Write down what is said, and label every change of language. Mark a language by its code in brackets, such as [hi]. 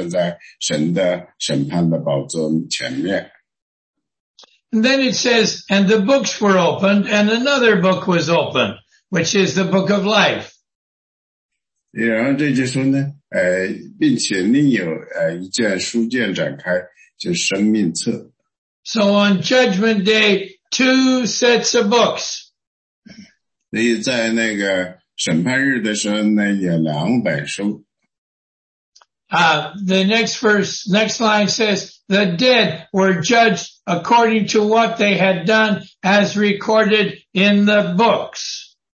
[zh] 所以所有的那个死了的人们，那些还没有复活的人们，他们所有的人都站在这边，站在这面，站在神的审判的宝座前面。 [en] And then it says, and the books were opened, and another book was opened, which is the book of life. [zh] 然后这就说呢，并且另有一卷书卷展开，就是生命册。 [en] So on Judgment Day, two sets of books. [zh] 所以在那个审判日的时候呢，有两本书。 [en] The next verse, next line says, the dead were judged according to what they had done as recorded in the books.